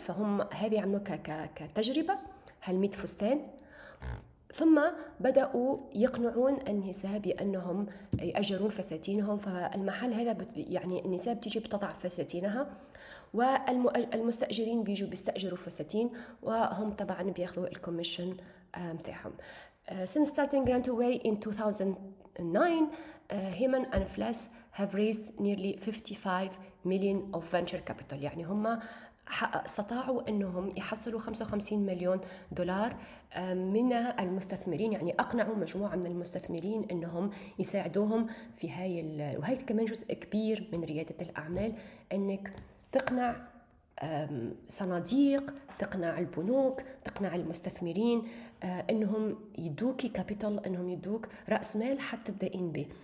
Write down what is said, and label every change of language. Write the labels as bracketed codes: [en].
[ar] فهم هذه عملوا كتجربه هال 100 فستان، ثم بداوا يقنعون النساء بانهم ياجرون فساتينهم. فالمحل هذا يعني النساء بتيجي بتضع فساتينها، والمستاجرين بيجوا بيستاجروا فساتين، وهم طبعا بياخذوا الكوميشن تاعهم. [en] Since starting Grant Away in 2009, Heyman and Flass have raised nearly 55 million of venture capital. [ar] يعني هم استطاعوا انهم يحصلوا 55 مليون دولار من المستثمرين، يعني اقنعوا مجموعه من المستثمرين انهم يساعدوهم في هاي وهي كمان جزء كبير من رياده الاعمال، انك تقنع صناديق، تقنع البنوك، تقنع المستثمرين انهم يدوك كابيتال، انهم يدوك راس مال حتى تبداين به.